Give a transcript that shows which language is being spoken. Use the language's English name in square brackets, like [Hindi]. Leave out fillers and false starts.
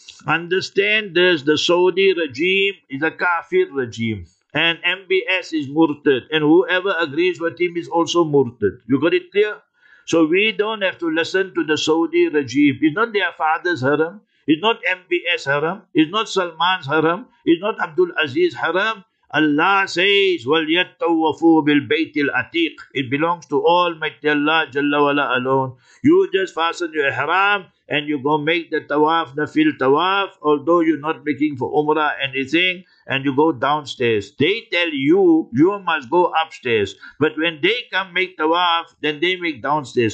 [English] Understand this, the Saudi regime is a kafir regime, and MBS is murtad, and whoever agrees with him is also murtad. You got it clear? So we don't have to listen to the Saudi regime. It's not their father's haram, it's not MBS haram, it's not Salman's haram, it's not Abdul Aziz haram. Allah says, [Arabic] وَلْيَتَّوَّفُوا بِالْبَيْتِ الْعَتِيقِ. [English] It belongs to Almighty Allah Jalla Wala alone. You just fasten your ihram and you go make the tawaf, nafil tawaf, although you're not making for umrah anything, and you go downstairs. They tell you, you must go upstairs. But when they come make tawaf, then they make downstairs.